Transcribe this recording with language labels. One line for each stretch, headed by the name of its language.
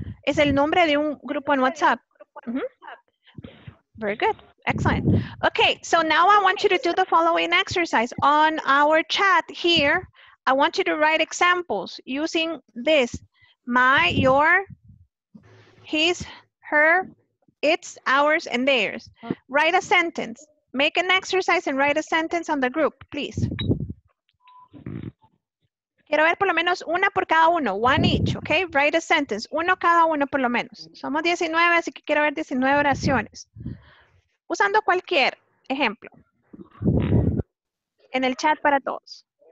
Spanish: Es el nombre de un grupo en WhatsApp.
English: Very good. Excellent. Okay. So now I want you to do the following exercise. On our chat here, I want you to write examples using this. My, your, his, her, its, ours, and theirs. Write a sentence. Make an exercise and write a sentence on the group, please.
Spanish: Quiero ver por lo menos una por cada uno,
English: one each, okay? Write a sentence,
Spanish: uno cada uno por lo menos. Somos 19, así que quiero ver 19 oraciones. Usando cualquier ejemplo. En el chat para todos.